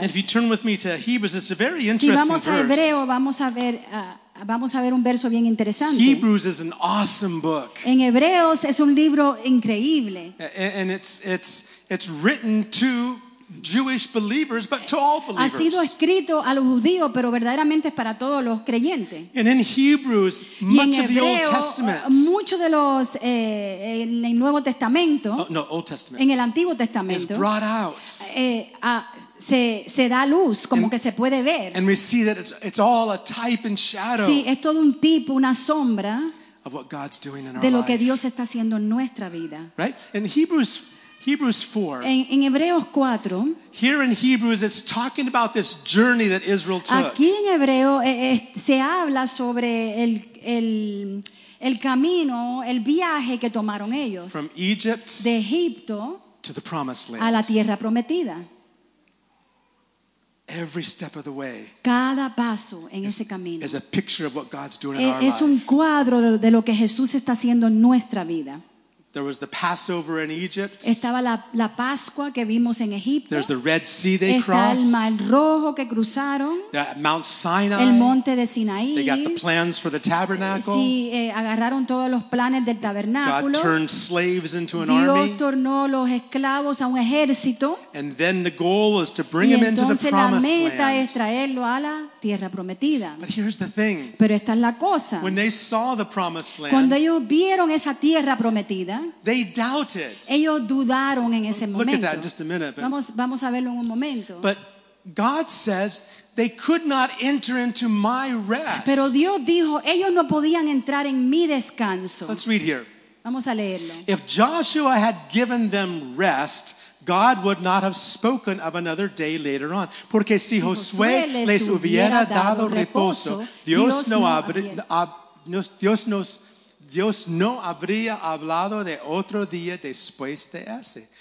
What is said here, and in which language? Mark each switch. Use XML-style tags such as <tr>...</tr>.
<en>And if you turn with me to Hebrews, it's a very interesting</en> <es>si vamos</es> <en>verse.</en> <es>A Hebreo, vamos a ver un verso bien interesante.</es> <en>Hebrews is an awesome book.</en> <es>En Hebreos es un libro increíble.</es> <en>And it's written to Jewish believers, but to all believers.</en> <es>Ha sido escrito a los judíos, pero verdaderamente es para todos los creyentes.</es> <en>And in Hebrews, much</en> <es>Hebreo,</es> <en>of the Old Testament.</en> <es>Mucho de los en el Nuevo Testamento.</es> <en>Oh, no, Old Testament.</en> <es>En el Antiguo Testamento.</es> <en>Is brought out.</en> <es>Se da luz, como and, que se puede ver.</es> <en>And we see that it's all a type and shadow.</en> <es>Sí, es todo un tipo, una sombra.</es> <en>Of what God's doing in our</en> <es>de lo</es> <en>life.</en> <es>Que Dios está haciendo en nuestra vida.</es> <en>Right? In Hebrews. Hebrews 4.</en> <es>En Hebreos 4.</es> <en>Here in Hebrews it's talking about this journey that Israel took.</en> <es>Aquí en Hebreo se habla sobre el camino, el viaje que tomaron ellos.</es> <en>From Egypt</en> <es>de Egipto</es> <en>to the promised land.</en> <es>A la tierra prometida.</es> <en>Every step of the way.</en> <es>Cada paso en ese camino.</es> <en>Is a picture of what God's doing in our life.</en> <es>Es un cuadro de lo que Jesús está haciendo en nuestra vida.</es> <en>There was the Passover in Egypt.</en> <es>Estaba la Pascua que vimos en Egipto.</es> <en>There's the Red Sea they</en> <es>Está</es> <en>crossed.</en> <es>El Mar Rojo que cruzaron.</es> <en>The Mount Sinai.</en> <es>El Monte de Sinaí.</es> <en>They got the plans for the tabernacle.</en> <es>Sí, agarraron todos los planes del tabernáculo.</es> <en>God turned slaves into an</en> <es>Dios</es> <en>army.</en> <es>Dios tornó los esclavos a un ejército.</es> <en>And then the goal was to bring them into the promised land.</en> <es>Y entonces la meta es traerlo a la tierra prometida.</es> <en>But here's the thing.</en> <es>Pero esta es la cosa.</es> <en>When they saw the promised land.</en> <es>Cuando ellos vieron esa tierra prometida.</es> <en>They doubted.</en> <es>Ellos dudaron en ese momento.</es> <en>Look at that in just a minute. But,</en> <es>vamos a verlo en un momento.</es> <en>But God says they could not enter into my rest.</en> <es>Pero Dios dijo, ellos no podían entrar en mi descanso.</es> <en>Let's read here.</en> <es>Vamos a leerlo.</es> <en>If Joshua had given them rest, God would not have spoken of another day later on.</en> <es>Porque si Josué les hubiera dado reposo, Dios no habría hablado de otro día después de ese.</es>